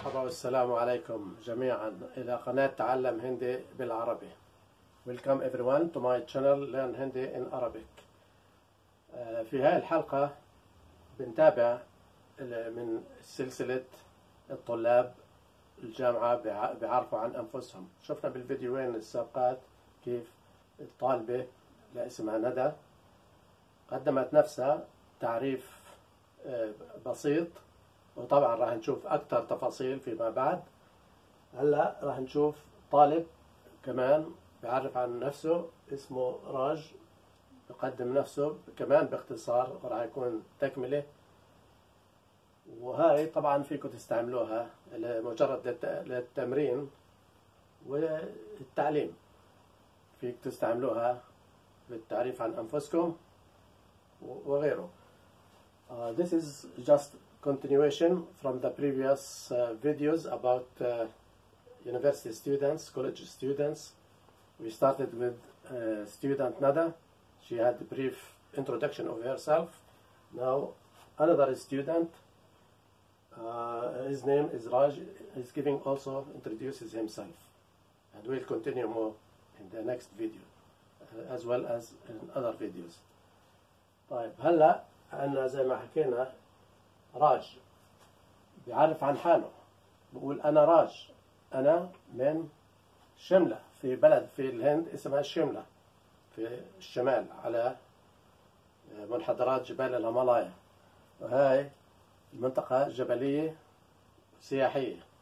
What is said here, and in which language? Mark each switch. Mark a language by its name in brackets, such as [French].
[Arabic] السلام عليكم جميعا إلى قناة تعلم هندي بالعربي. [English] Welcome everyone to my channel Learn Hindi in Arabic. [Arabic] في هاي الحلقة بنتابع من سلسلة الطلاب الجامعة بيعرفوا عن أنفسهم. شفنا بالفيديوين السابقات كيف الطالبة اللي اسمها ندى قدمت نفسها تعريف بسيط، وطبعا راح نشوف اكثر تفاصيل فيما بعد. هلا راح نشوف طالب كمان بيعرف عن نفسه اسمه راج، بيقدم نفسه كمان باختصار وراح يكون تكمله. وهاي طبعا فيكم تستعملوها لمجرد للتمرين والتعليم، فيك تستعملوها بالتعريف عن انفسكم وغيره. [English] This is just continuation from the previous videos about university students, college students. We started with student Nada. She had a brief introduction of herself. Now another student, his name is Raj, is giving also introduces himself. And we'll continue more in the next video as well as in other videos. [Arabic] طيب هلا عنا زي ما حكينا راج بيعرف عن حاله، بقول انا راج، انا من شملة، في بلد في الهند اسمها شملة في الشمال على منحدرات جبال الهيمالايا، وهاي المنطقة جبلية سياحية.